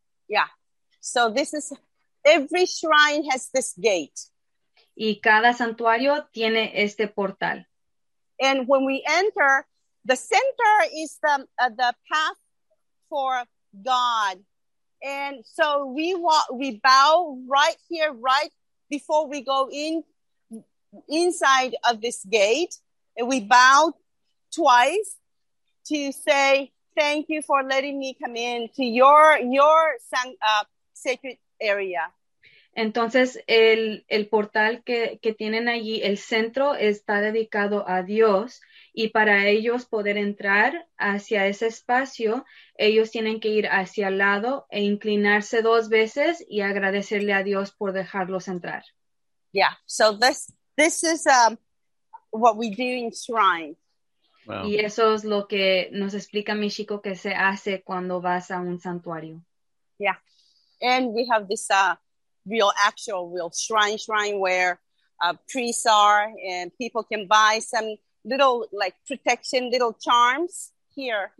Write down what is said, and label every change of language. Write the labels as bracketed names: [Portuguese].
[English] Yeah. So this is every shrine has this gate. [Spanish] Y cada santuario tiene este portal. [English] And when we enter, the center is the path for God. And so we bow right here, right before we go inside of this gate. And we bow twice to say, thank you for letting me come in to your sacred area. [Spanish] Entonces, el portal que tienen allí, el centro, está dedicado a Dios, y para ellos poder entrar hacia ese espacio, ellos tienen que ir hacia el lado e inclinarse dos veces y agradecerle a Dios por dejarlos entrar. [English] Yeah, so this is what we do in shrine. Wow. [Spanish] Y eso es lo que nos explica Michiko que se hace cuando vas a un santuario. [English] Yeah, and we have this real shrine where priests are, and people can buy some little like protection, little charms here.